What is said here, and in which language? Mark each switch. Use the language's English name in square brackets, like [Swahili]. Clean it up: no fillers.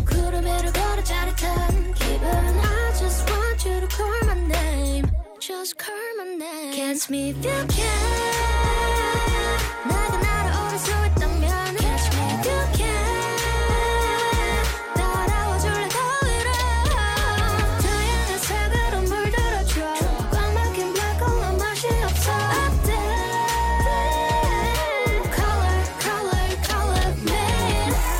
[Korean] 구름 위로 걸어 짜릿한 기분. [English] I just want you to call my name. Just call my name. Catch me if you can. [Korean] 내가 날아오를 수 있다면. [English] Catch me if you can. [Korean] 따라와 줄래 더위로. 다양한 색으로 물들어줘. 꽉 막힌 블랙홀로 맛이 없어. [English] Update. Color, color, color me.